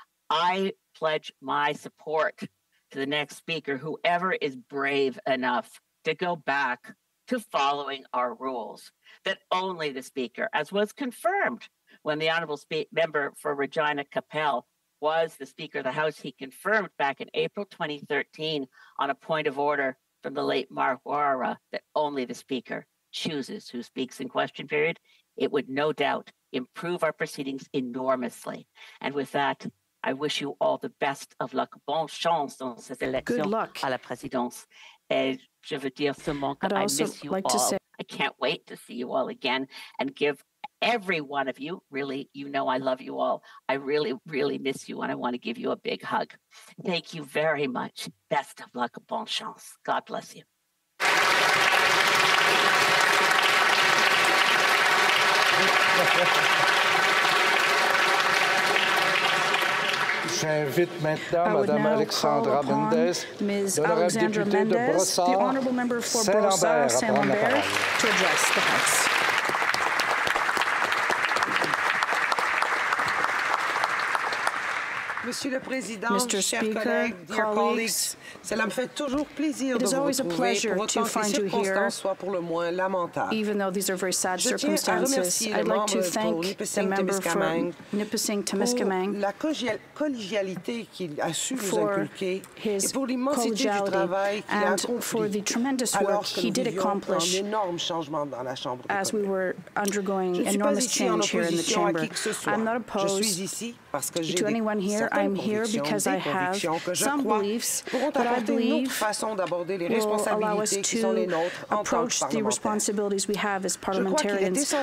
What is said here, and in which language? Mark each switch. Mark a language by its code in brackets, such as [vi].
[en] I pledge my support to the next speaker, whoever is brave enough to go back to following our rules, that only the speaker, as was confirmed when the honorable member for Regina Capel was the speaker of the House, he confirmed back in April 2013 on a point of order from the late Mark Wara, that only the speaker chooses who speaks in question period. It would no doubt improve our proceedings enormously. And with that, I wish you all the best of luck. [fr] Bonne chance dans cette élection à la présidence. Et je veux dire seulement que [en] I miss you like all. I can't wait to see you all again and give every one of you, really, you know I love you all. I really, really miss you and I want to give you a big hug. Thank you very much. Best of luck. [fr] Bonne chance. [en] God bless you. [fr] J'invite maintenant Madame Alexandra Mendez, [en] Ms. Alexandra Mendez, the Honourable Member for Brossard-Saint-Lambert, to address the House. [fr] Monsieur le Président, Mr. [en] Speaker, dear colleagues, [fr] cela me fait toujours plaisir de vous retrouver, pour autant que ces circonstances soient pour le moins lamentables. [en] Even though these are very sad circumstances, I'd like to thank the member for Nipissing Temiscamingue [fr] pour la collégialité qu'il a su nous inculquer et pour l'immensité du travail qu'il a accompli. [en] For the tremendous work he did accomplish [fr] un énorme changement dans la Chambre. [en] As we were undergoing enormous change here in the chamber. I'm not opposed. [fr] Je suis ici parce que j'ai [en] to anyone here. I'm here because I have some beliefs that I believe will allow us to approach the responsibilities we have as parliamentarians.